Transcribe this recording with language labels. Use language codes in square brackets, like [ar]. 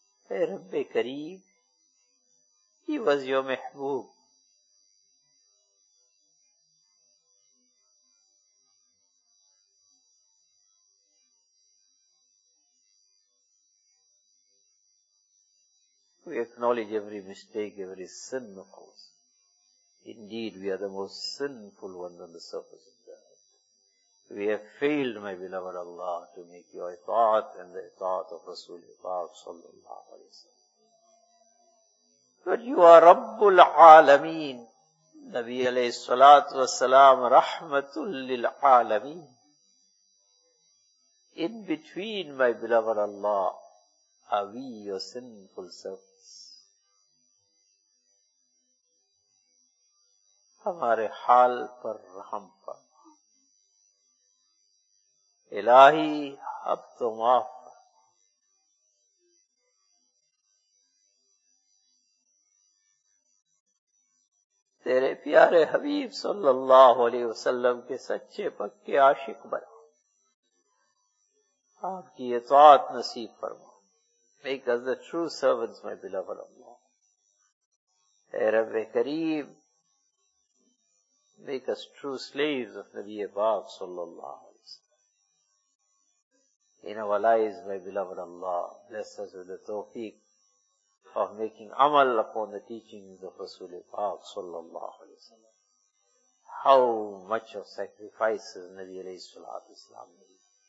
[en] اے رب کریم، ہی واز یور محبوب، we acknowledge every mistake every sin, of course indeed we are the most sinful ones on the surface of the earth, we have failed my beloved Allah to make your اطاعت and the اطاعت of رسول پاک صلی اللہ علیہ وسلم. But you are Rabbul Alameen. Nabi alayhi salatu wasalam, Rahmatul lil Alameen. In between, my beloved Allah, are we your sinful servants. [ur] Hamare hal par raham par. Ilahi, ab to maaf. تیرے پیارے حبیب صلی اللہ علیہ وسلم کے سچے پکے عاشق بنا، آپ کی اطاعت نصیب فرما. [en] Make us the true servants, my beloved Allah. اے رب کریم، make us true slaves of نبی پاک صلی اللہ علیہ وسلم. In our lives, my beloved Allah, bless us with the tawfiq of making amal upon the teachings of Rasul Paak sallallahu alayhi wa sallam. How much of sacrifices Nabi alayhi salatu wasalam made.